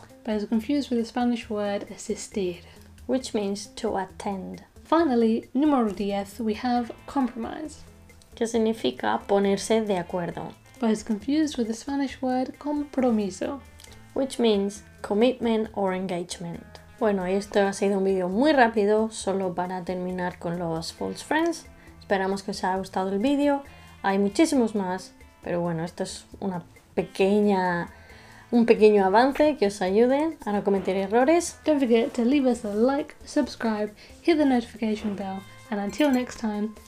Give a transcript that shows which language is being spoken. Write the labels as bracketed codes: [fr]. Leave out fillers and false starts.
[en] But it's confused with the Spanish word asistir, which means to attend. Finally, [es] número diez, [en] we have compromise. [es] ¿Qué significa ponerse de acuerdo? [en] But it's confused with the Spanish word compromiso, which means commitment or engagement. [es] Bueno, esto ha sido un video muy rápido, solo para terminar con los false friends. Esperamos que os haya gustado el video. Hay muchísimos más, pero bueno, esto es un pequeño avance que os ayude a no cometer errores. [en] Don't forget to leave us a like, subscribe, hit the notification bell, and until next time,